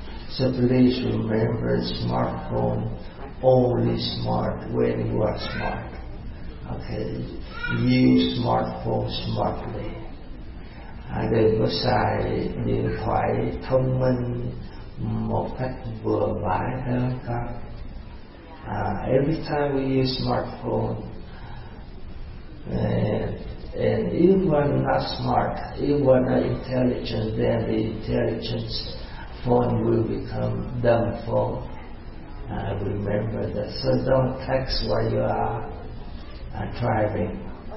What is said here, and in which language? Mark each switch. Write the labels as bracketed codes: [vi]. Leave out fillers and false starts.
[en] So please remember, smartphone only smart when you are smart. Okay, use smartphone smartly. [vi] Đừng có xài điện thoại thông minh một cách vừa vãi đâu con. [en] Every time we use smartphone, and if we're not smart, if we're not intelligent, then the intelligence phone will become dumb phone. Remember that. So don't text while you are driving.